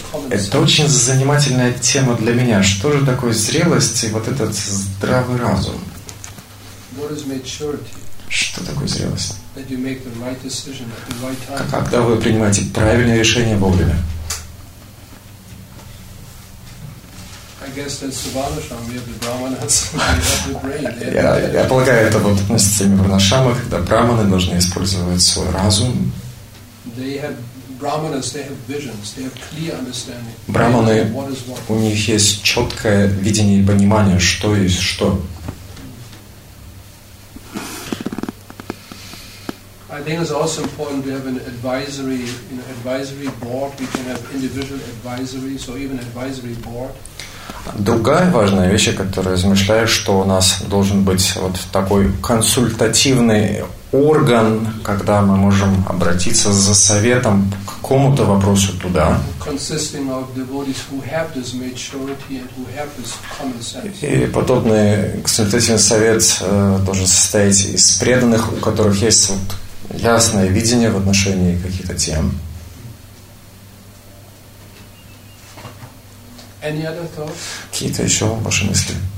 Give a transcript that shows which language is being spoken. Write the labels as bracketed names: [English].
[Russian] Это очень занимательная тема для меня. Что же такое зрелость и вот этот здравый разум? [English] What is maturity? [Russian] Что такое зрелость? [English] That you make the right decision at the right time. [Russian] Когда вы принимаете правильное решение вовремя? [English] I guess that's the Varnashram. We have the Brahmanas. [Russian] Я полагаю, это вот относится к Варнашрамам, когда Брахманы должны использовать свой разум. [English] They have Brahmanas, they have visions, they have clear understanding. [Russian] Брахманы, у них есть четкое видение и понимание, что есть что. [English] I think it's also important to have an advisory, you know, advisory board. We can have individual advisory, so even advisory board. [Russian] Другая важная вещь, о которой размышляю, что у нас должен быть вот такой консультативный орган, когда мы можем обратиться за советом к какому-то вопросу туда. [English] Consisting of devotees who have this maturity and who have this common sense. [Russian] И подобный консультативный совет должен состоять из преданных, у которых есть вот ясное видение в отношении каких-то тем. [English] Any other thoughts? [Russian] Какие-то еще ваши мысли?